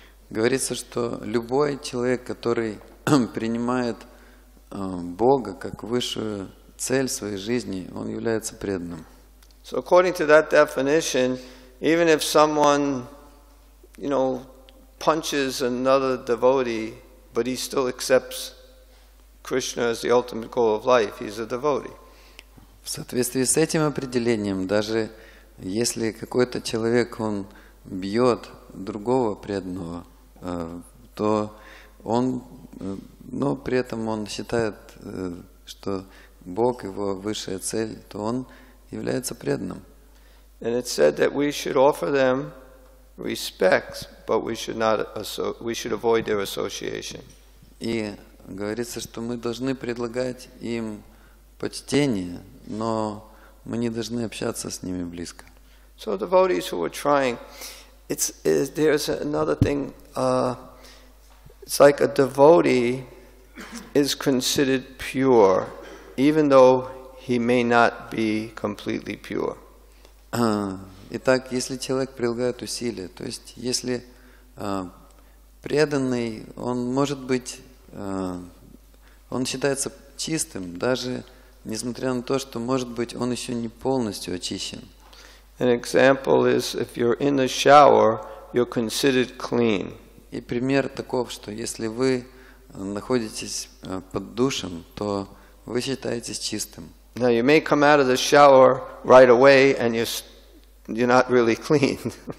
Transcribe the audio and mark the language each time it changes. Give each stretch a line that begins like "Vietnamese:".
Russian: Говорится, что любой человек, который принимает Бога как высшую цель своей жизни, он является преданным.
English: So according to that definition, even if someone, you know, punches another devotee, but he still accepts Krishna as the ultimate goal of life, he's a devotee.
Russian: В соответствии с этим определением, даже если какой-то человек он бьет другого преданного, то он, но при этом он считает, что Бог его высшая цель, то он является преданным.
English: And it said that we should offer them respects, but we should avoid their association.
Russian: И говорится, что мы должны предлагать им почтение, но мы не должны общаться с ними близко.
English: So devotees who are trying, there's another thing. It's like a devotee is considered pure, even though he may not be completely pure.
Russian: Итак, если человек прилагает усилия, то есть если преданный, он может быть, он считается чистым, даже несмотря на то, что, может быть, он еще не полностью очищен.
English: An example is if you're in the shower, you're considered clean.
Russian: И пример таков, что если вы находитесь под душем, то вы считаетесь чистым.
English: Now you may come out of the shower right away and you're not really clean.